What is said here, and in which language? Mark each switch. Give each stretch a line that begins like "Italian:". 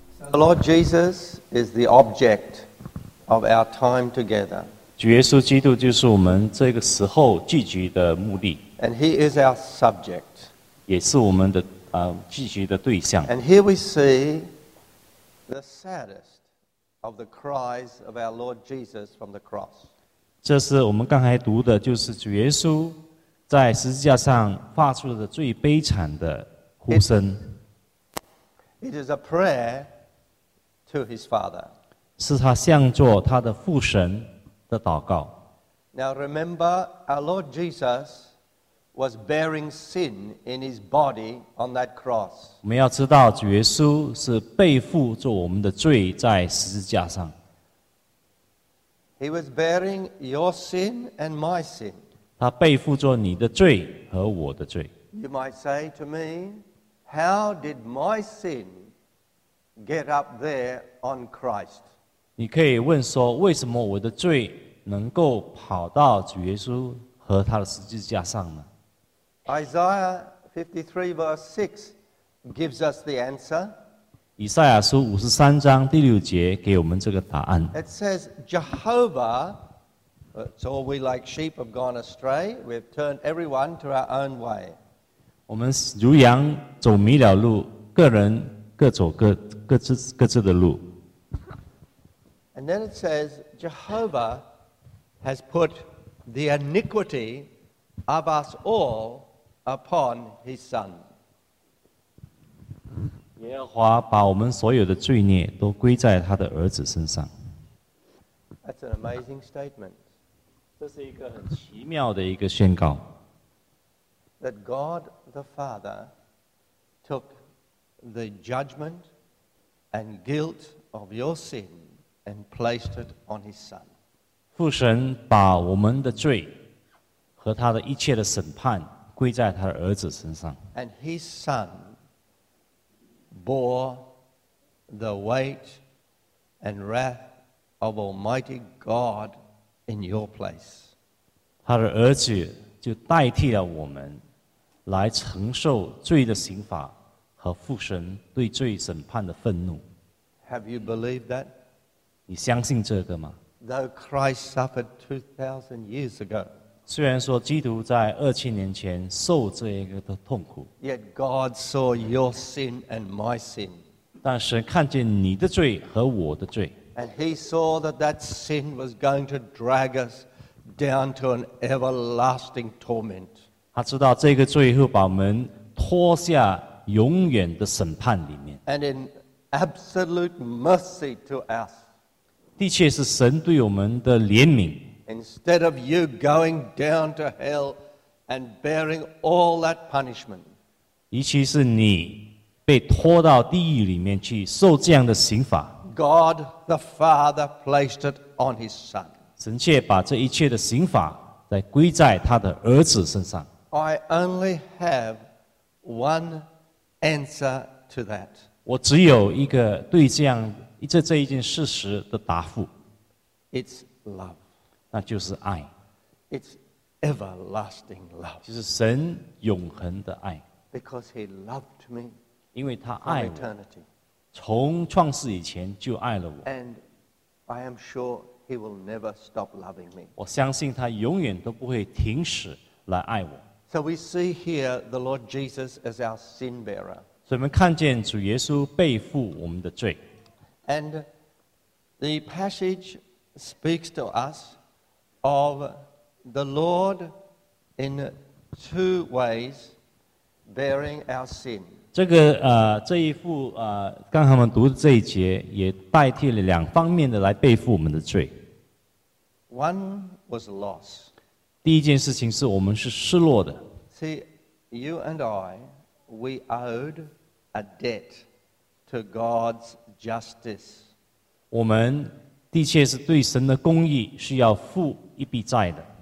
English: The Lord Jesus is the object of our time together.
Chinese: 主耶稣基督就是我们这个时候聚集的目的。
English: And he is our subject.
Chinese: 也是我们的聚集的对象。
English: And here we see the saddest of the cries of our Lord Jesus from the cross.
Chinese: 这是我们刚才读的，就是主耶稣在十字架上发出的最悲惨的呼声。
English: It is a prayer to his father.
Chinese: 是他向着他的父神的祷告。
English: Now remember, our Lord Jesus was bearing sin in his body on that cross.
Chinese: 我们要知道，主耶稣是背负着我们的罪在十字架上。
English: He was bearing your sin and my sin.
Chinese: 他背负着你的罪和我的罪。
English: You might say to me, how did my sin get up there on Christ?
Chinese: 你可以问说，为什么我的罪能够跑到主耶稣和他的十字架上呢？
English: Isaiah 53 verse 6 gives us the answer.
Chinese: 以赛亚书五十三章第六节给我们这个答案。
English: It says, Jehovah, it's all we like sheep have gone astray, we've turned everyone to our own way.
Chinese: 我们如羊走迷了路，个人各走 各自的路。
English: And then it says, Jehovah has put the iniquity of us all upon his son.
Chinese: 耶和华把我们所有的罪孽都归在他的儿子身上。
English: That's an amazing statement.
Chinese: 这是一个很奇妙的一个宣告。
English: That God the Father took the judgment and guilt of your sin and placed it on his son.
Chinese: 父神把我们的罪和他的一切的审判归在他的儿子身上。
English: And his son bore the weight and wrath of Almighty God in your place.
Chinese: 他的儿子就代替了我们来承受罪的刑罚和父神对罪审判的愤怒。
English: Have you believed that?
Chinese: 你相信这个吗？
English: Though Christ suffered 2,000 years ago,
Chinese: 虽然说基督在2000年前受这一个的痛苦，
English: yet God saw your sin and my sin.
Chinese: 但神看见你的罪和我的罪。
English: And he saw that that sin was going to drag us down to an everlasting torment.
Chinese: 他知道这个罪会把我们拖下永远的审判里面。
English: And in absolute mercy to us,
Chinese: 的确是神对我们的怜悯。
English: Instead of you going down to hell and bearing all that punishment,
Chinese: 以其是你被拖到地狱里面去受这样的刑罚，
English: God the Father placed it on his son.
Chinese: 神却把这一切的刑罚来归在他的儿子身上。
English: I only have one answer to that.
Chinese: 我只有一个对这样这一件事实的答复。
English: It's love.
Chinese: 那就是爱。
English: It's everlasting love.
Chinese: 就是神永恒的爱。
English: Because he loved me.
Chinese: 因为他爱我。
English: From eternity.
Chinese: 从创世以前就爱了我。
English: And I am sure he will never stop loving me.
Chinese: 我相信他永远都不会停止来爱我。
English: So we see here the Lord Jesus as our sin bearer.
Chinese: 所以我们看见主耶稣背负我们的罪。
English: And the passage speaks to us of the Lord in two ways bearing our sin.
Chinese: 这个这一幅刚才我们读的这一节也代替了两方面的来背负我们的罪。
English: One was loss.
Chinese: 第一件事情是我们是失落的。
English: See, you and I, we owed a debt to God's justice.
Chinese: 我们的确是对神的公义是要付一笔债的。